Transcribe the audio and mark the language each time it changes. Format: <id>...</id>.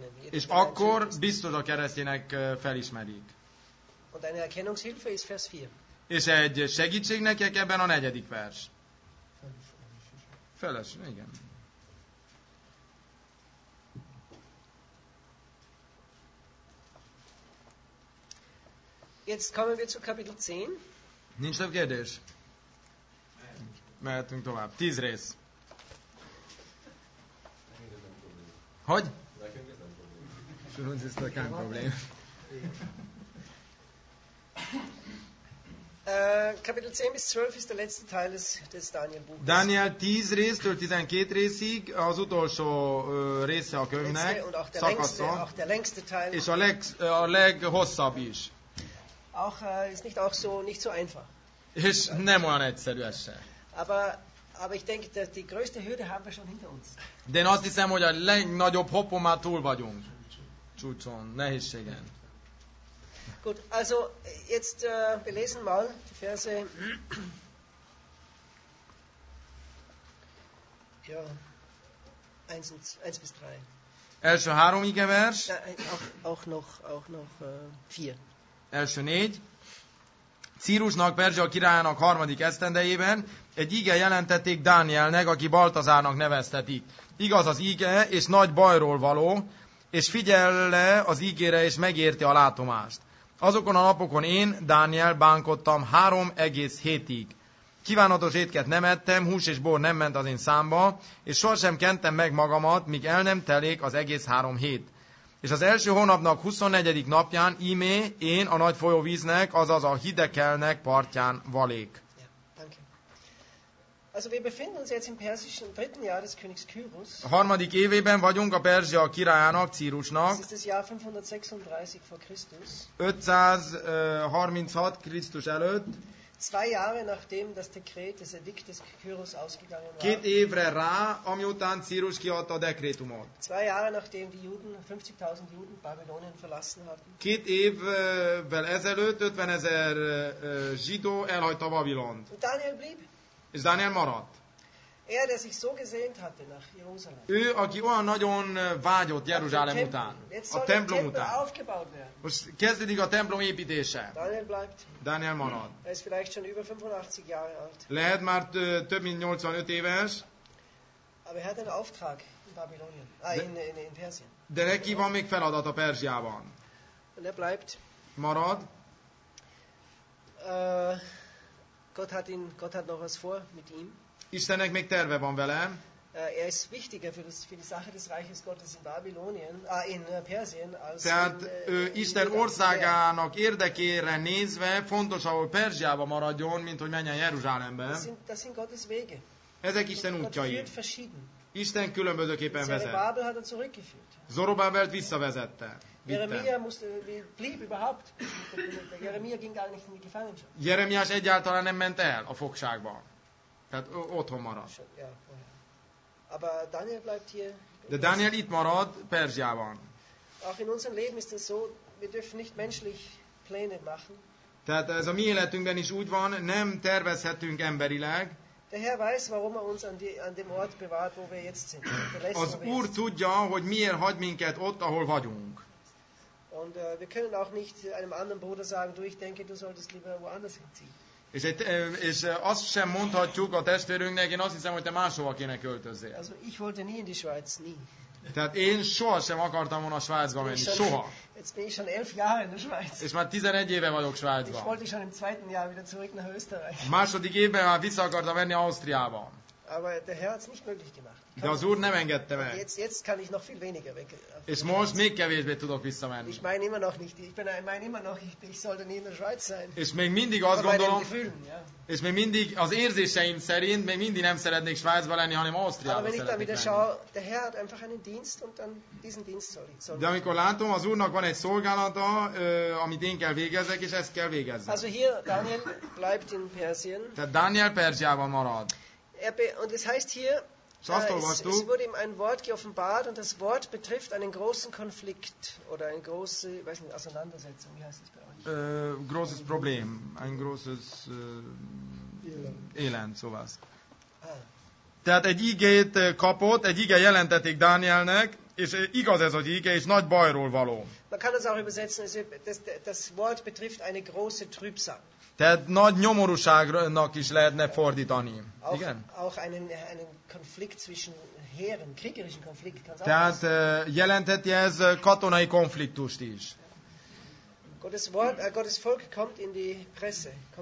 <hu>És akkor biztos a keresztények felismerik.</hu> <de>Und eine Erkennungshilfe ist Vers 4.</de> <hu>És egy segítség nekik ebben a negyedik vers. Feles, igen.</hu> <de>Jetzt kommen wir zu Kapitel 10.</de> <hu>Nincs több kérdés. Mehetünk tovább. 10 rész. Hogy? Sőt, ez a kám problém.</hu> <de>Kapitel 10 bis 12 ist der letzte Teil des Daniel Buches.</de> <hu>Daniel 10 résztől 12 részig az utolsó része a könyvnek, szakasza, és a leghosszabb is.</hu> <de>Auch ist nicht auch so nicht so einfach.</de> <hu>És nem olyan egyszerű ez se.</hu> <de>Aber ich denke, dass die größte Hürde haben wir schon hinter uns.</de> <hu>De én azt hiszem, hogy a legnagyobb hoppon már túl vagyunk. Csúcson, nehézségen.</hu> <de>Gut, also jetzt wir lesen mal die Verse. Ja, 1 bis 3.</de> <hu>Első három ige vers.</hu> <de>Auch noch 4.</de> <hu>Első 4. Círusnak, Perzsia királyának harmadik esztendejében egy íge jelentették Dánielnek, aki Baltazárnak neveztetik. Igaz az íge, és nagy bajról való, és figyel le az ígére, és megérti a látomást. Azokon a napokon én, Dániel, bánkodtam 3 egész hétig. Kívánatos étket nem ettem, hús és bor nem ment az én számba, és sohasem kentem meg magamat, míg el nem telik az egész 3 hét. És az első hónapnak 24. napján ímé én a nagy folyóvíznek, azaz a Hidekelnek partján valék.</hu> <de>Also wir befinden uns jetzt im persischen dritten Jahr des Königs Kyrus.</de> <hu>A harmadik évében vagyunk a Perzsia királyának, Círusnak. Ez a 536</hu> <de>vor Christus.</de> <hu>536 Krisztus előtt.</hu> <de>2 Jahre nachdem das Dekret des Edikt des Kyrus ausgegangen war.</de> <hu>2 évre rá, amiután Círus kiadta a dekrétumot.</hu> <de>2 Jahre nachdem die Juden 50.000 Juden Babylonien verlassen hatten.</de> <hu>2 évvel ezelőtt 50.000 zsidó elhagyta Babilont.</hu> <de>Daniel blieb.</de> <hu>És Dániel maradt.</hu> <de>Er, der sich so gesehnt hatte nach Jerusalem.</de> <hu>Ő, aki olyan nagyon vágyott Jeruzsálem után, a templom után. Most kezdődik a templom építése.</hu> <de>Daniel bleibt.</de> <hu>Daniel maradt.</hu> <de>Er ist vielleicht schon über 85 Jahre alt.</de> <hu>Lehet már több mint 85 éves.</hu> <de>Aber er hat einen Auftrag in Babylonien. In Persien.</de> <hu>De neki van még feladat a Perzsiában.</hu> <de>Und er bleibt.</de> <hu>Marad.</hu> <de>Gott hat noch was vor mit ihm.</de> <hu>Istennek még terve van vele.</hu> <de>Er ist wichtiger für die Sache des Reiches Gottes in Babylonien, in Persien als</de> <hu>tehát ő Isten országának érdekére nézve fontosabb, hogy Perzsiába maradjon, mint hogy menjen Jeruzsálembe.</hu> <de>Das sind Gottes Wege.</de> <hu>Ezek Isten útjai.</hu> <de>Gott führt verschieden.</de> <hu>Isten különbözőképpen vezet.</hu> <de>Zerubbabel hat er zurückgeführt.</de> <hu>Zorobábelt visszavezette.</hu> <de>Jeremia ging gar nicht in die Gefangenschaft.</de> <hu>Jeremiás egyáltalán nem ment el a fogságba. Tehát otthon maradt.</hu> <de>Aber Daniel bleibt hier.</de> <hu>De Daniel itt marad Perzsiában.</hu> <de>Auch in unserem Leben ist es so, wir dürfen nicht menschlich Pläne machen.</de> <hu>Tehát ez a mi életünkben is úgy van, nem tervezhetünk emberileg.</hu> <de>Der Herr weiß, warum er uns an dem Ort bewahrt, wo wir jetzt sind.</de> <hu>Az Úr tudja, hogy miért hagy minket ott, ahol vagyunk.</hu> <de>Und wir können auch nicht einem anderen Bruder sagen, du, ich denke, du solltest lieber woanders hinziehen.</de> <hu>És azt sem mondhatjuk a testvérünknek, én azt hiszem, hogy te máshova kéne költözzél.</hu> <de>Also ich wollte nie in die Schweiz, nie.</de> <hu>Tehát én soha sem akartam volna Svájcba menni, soha.</hu> <de>Jetzt bin ich schon 11 Jahre in der Schweiz.</de> <hu>És már 11 éve vagyok Svájcban.</hu> <de>Ich wollte schon im zweiten Jahr wieder zurück nach Österreich.</de> <hu>Második évben már vissza akartam menni Ausztriába.</hu> <de>Aber der Herr hat's nicht möglich gemacht.</de> <hu>De az Úr nem engedte meg.</hu> <de>Jetzt kann ich noch viel weniger weg.</de> <hu>És most még kevésbé tudok visszamenni.</hu> <de>Ich meine immer noch nicht, ich sollte nie in der Schweiz sein.</de> <hu>És még mindig azt gondolom,</hu> <de>Gefühlen, ja.</de> <hu>És még mindig az érzéseim szerint még mindig nem szeretnék Svájcba lenni, hanem Ausztriába szeretnék lenni.</hu> <de>Aber ich dann wieder schaue, der Herr hat einfach einen Dienst und dann diesen Dienst soll ich.</de> <hu>De amikor látom, az Úrnak van egy szolgálata, amit én kell végezzek, és ezt kell végezzem.</hu> <de>Also hier Daniel bleibt in Persien.</de> <hu>Tehát Daniel Perzsiában marad.</hu> <de>Und es heißt hier, es wurde ihm ein Wort geoffenbart und das Wort betrifft einen großen Konflikt oder eine große, ich weiß nicht, Auseinandersetzung, wie heißt es bei euch? Großes Problem, ein großes Elend, sowas.</de> <hu>Tehát egy ígét kapott, egy ige jelentették Dánielnek, és igaz ez az ige, és nagy bajról való.</hu> <de>Man kann das auch übersetzen, das Wort betrifft eine große Trübsal.</de> <hu>Tehát nagy nyomorúságnak is lehetne fordítani. Igen?</hu> <de>Auch einen Konflikt zwischen Heeren, kriegerischen Konflikt.</de> <hu>Tehát jelentheti ez katonai konfliktust is.</hu> <de>Gottes Volk kommt in die Presse.</de>